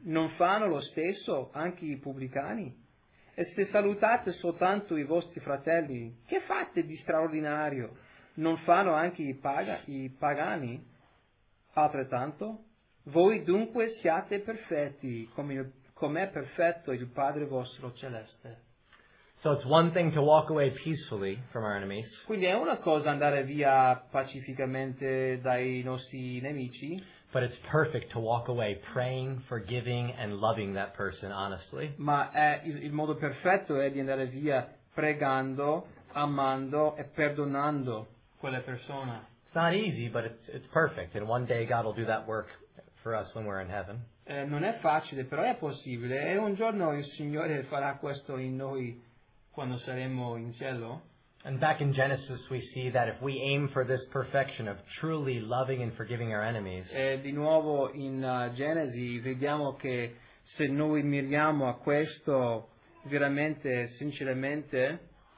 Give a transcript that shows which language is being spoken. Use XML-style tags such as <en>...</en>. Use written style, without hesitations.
<it>Non fanno lo stesso anche i pubblicani? E se salutate soltanto i vostri fratelli, che fate di straordinario? Non fanno anche i pagani? Altrettanto? Voi dunque siate perfetti, come è perfetto il Padre vostro celeste.</it> <en>So it's one thing to walk away peacefully from our enemies.</en> <it>Quindi è una cosa andare via pacificamente dai nostri nemici.</it> <en>But it's perfect to walk away praying, forgiving, and loving that person honestly.</en> <it>Ma è il modo perfetto è di andare via pregando, amando e perdonando quella persona.</it> <en>It's not easy, but it's perfect. And one day God will do that work for us when we're in heaven.</en> <it>Non è facile, però è possibile. E un giorno il Signore farà questo in noi quando saremo in cielo.</it> <en>And back in Genesis we see that if we aim for this perfection of truly loving and forgiving our enemies.</en> <it>E di nuovo in Genesi vediamo che se noi miriamo a questo veramente sinceramente,</it>